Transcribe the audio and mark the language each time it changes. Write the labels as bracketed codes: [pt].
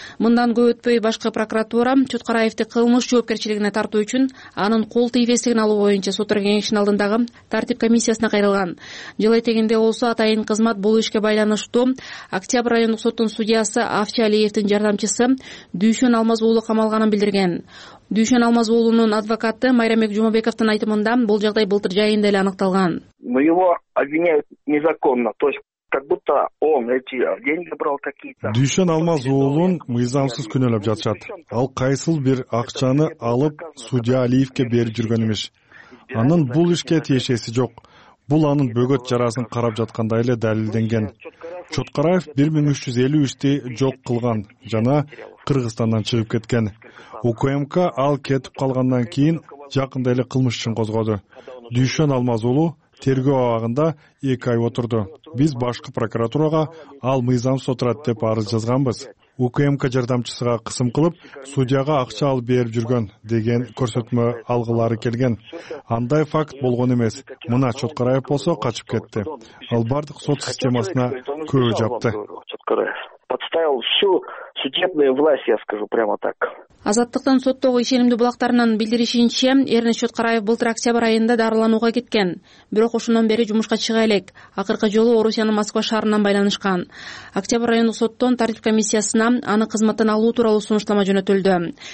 [ky] Мындан көп өтпөй башкы прокуратура Чоткараевди кылмыш жоопкерчилигине тартуу үчүн анын кол тийбестигин алуу боюнча соттор кеңешинин алдындагы тартип комиссиясына кайрылган. Жыл этегинде болсо атайын кызмат бул ишке байланыштуу октябрь районунун соттун судьясы Авчалиевдин жардамчысы Дүйшөн Алмаз уулу камалганын билдирген. Дүйшөн Алмаз уулунун адвокаты Майрамбек Жумабековдун айтымында бул жагдай былтыр жайында эле аныкталган. [ru] Но его обвиняют незаконно, то есть как будто он эти деньги брал какие-то. [ky] Дүйшөн Алмаз уулун мыйзамсыз күнөлөп жатышат. Ал кайсыл бир акчаны алып судья Алиевке берип жүргөн эмеш. Анын бул ишке тиешеси жок. Бул анын бөгөт жарасын карап жаткандай эле далилденген. Чоткараев 1353-ти жок кылган жана Кыргызстандан чыгып кеткен. УКМК ал кетип калгандан кийин жакында эле кылмыш ишин козгоду. Дүйшөн Алмаз уулу тергөө абагында 2 ай отурду. Биз башкы прокуратурага ал мыйзамсыз отурат деп арыз жазганбыз. УКМК жардамчысыга кысым кылып, судьяга акча алып берип жүргөн деген көрсөтмө алгылары келген. Андай факт болгон эмес. Мына Чоткараев болсо качып кетти. Ал бардык сот системасына көө жапты. [ru] Подставил всю судебную власть, я скажу прямо так. [ky] Азаттыктан соттогу ишенимдүү булактарынын билдиришинче Эрнис Чоткараев былтыр октябрь айында дарыланууга кеткен. Бирок ошондон бери жумушка чыга элек. Акыркы жолу Орусиянын Москва шаарынан байланышкан. Октябрь районунун соттон тартип комиссиясына аны кызматтан алуу тууралуу сунуштама жөнөтүлдү.